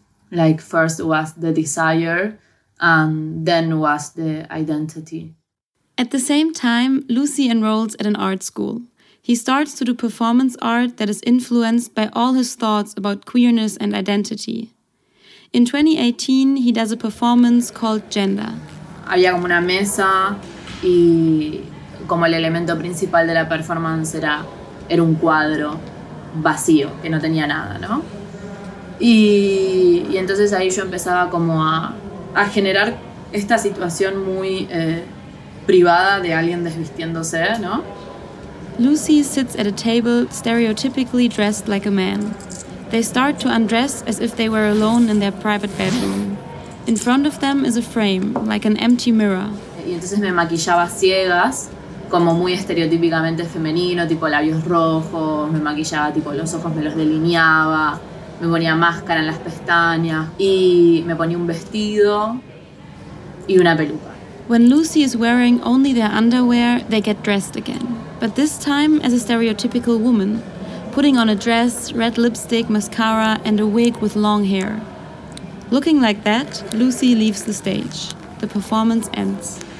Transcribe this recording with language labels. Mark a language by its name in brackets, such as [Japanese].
[English] Like first was the desire and then was the identity. At the same time, Lucy enrolls at an art school. He starts to do performance art that is influenced by all his thoughts about queerness and identity. In 2018, he does a performance called Gender. [Spanish] Había como una mesa y como el elemento principal de la performance era un cuadro vacío, que no tenía nada, ¿no? Y entonces ahí yo empezaba como a generar esta situación muy privada de alguien desvistiéndose, ¿no? [English] Lucy sits at a table stereotypically dressed like a man. They start to undress as if they were alone in their private bedroom. In front of them is a frame, like an empty mirror. [Spanish] Y entonces me maquillaba ciegas, como muy estereotípicamente femenino, tipo labios rojos, me maquillaba tipo los ojos, me los delineaba, me ponía máscara en las pestañas y me ponía un vestido y una peluca. [English] When Lucy is wearing only their underwear, they get dressed again. But this time as a stereotypical woman, putting on a dress, red lipstick, mascara and a wig with long hair. Looking like that, Lucy leaves the stage. The performance ends.